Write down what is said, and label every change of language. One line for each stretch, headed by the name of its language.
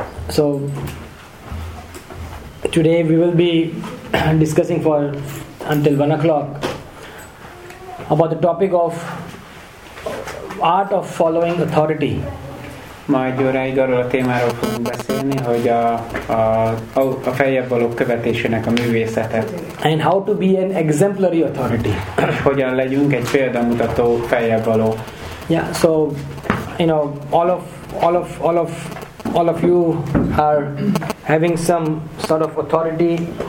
English: So today we will be discussing for until 1 o'clock about the topic of art of following authority.
Hungarian: Majd jó ráig arról a témáról fogunk beszélni, hogy a feljebb való követésének a művészete.
English: And how to be an exemplary authority.
Hungarian: Hogyan legyünk egy példamutató feljebb való.
English: Yeah, so you know all of you are having some sort of authority.